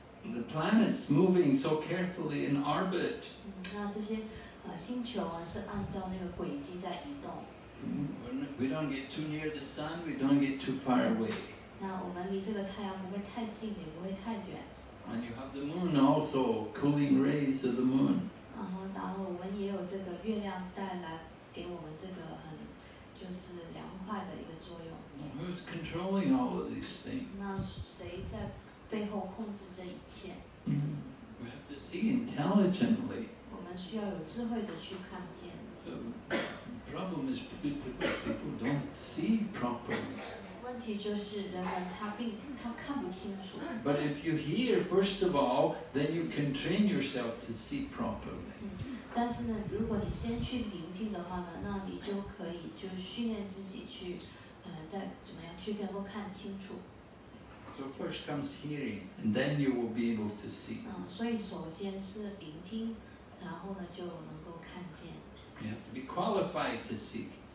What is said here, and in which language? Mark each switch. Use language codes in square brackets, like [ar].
[en] The planets moving so carefully in orbit. [zh] 那这些星球啊，是按照那个轨迹在移动。 [en] We don't get too near the sun, we don't get too far away. [zh] 那我们离这个太阳不会太近，也不会太远。 [en] And you have the moon also, cooling rays of the moon. [zh] 然后我们也有这个月亮带来给我们这个很就是凉快的一个作用。 [en] Who's controlling all of these things? [zh] 那谁在背后控制这一切？ [en] We have to see intelligently. [zh] 我们需要有智慧的去看见。 [en] The problem is people don't see properly. [zh] 问题就是人们他看不清楚。 [en] But if you hear first of all, then you can train yourself to see properly. [zh] 但是呢，如果你先去聆听的话呢，那你就可以就训练自己去，再怎么样去能够看清楚。 [en] So first comes hearing, and then you will be able to see. [zh] 所以首先是聆听，然后呢就能够看见。 [en] You have to be qualified to see.